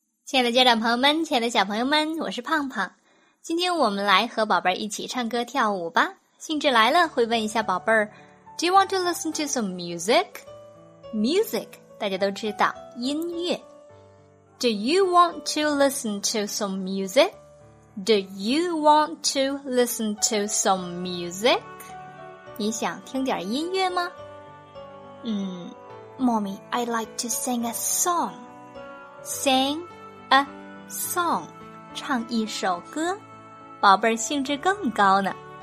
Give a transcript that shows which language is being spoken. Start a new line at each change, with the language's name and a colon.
Chinese: 亲爱的家长朋友们，亲爱的小朋友们，我是胖胖。今天我们来和宝贝儿一起唱歌跳舞吧。
English: 兴致来了，会问一下宝贝儿 ,Do you want to listen to some music?
Chinese: Music, 大家都知道，音乐。
English: Do you want to listen to some music? Do you want to listen to some music?
Chinese: 你想听点音乐吗？
English: Mommy, I'd like to sing a song. Sing.
Chinese: A song, 唱一首歌，宝贝儿兴致更高呢。